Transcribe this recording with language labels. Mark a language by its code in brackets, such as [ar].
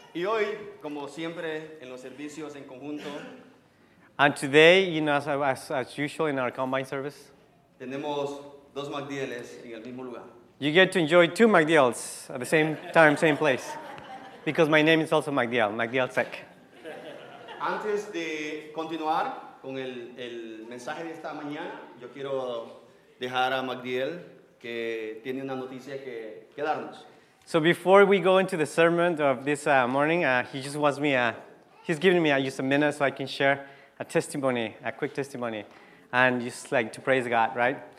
[es] Y hoy, como siempre, en los servicios en conjunto. [en] And today, you know, as usual in our combine service. [es] Tenemos dos Magdieles en el mismo lugar. [en] You get to enjoy two Magdiels at the same time, same place. Because my name is also Magdiel, Magdiel Sec. [es] Antes de continuar con el mensaje de esta mañana, yo quiero dejar a Magdiel que tiene una noticia que darnos. [en] So before we go into the sermon of this morning, he just wants me, he's giving me just a minute so I can share a testimony, a quick testimony, and just like to praise God, right?